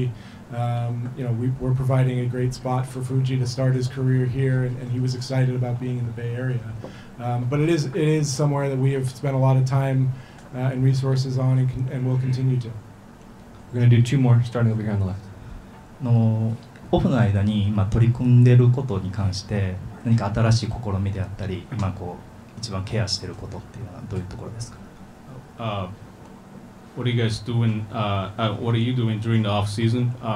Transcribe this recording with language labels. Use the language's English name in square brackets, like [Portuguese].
[English] You know, we're providing a great spot for Fuji to start his career here, and he was excited about being in the Bay Area. But it is somewhere that we have spent a lot of time and resources on, and will continue to. We're going to do two more, starting over here on the left. [Japanese] No, オフの間に今取り組んでることに関して、何か新しい試みであったり、今こう一番ケアしていることっていうのはどういうところですか。 [English] What are you guys doing? What are you doing during the off season?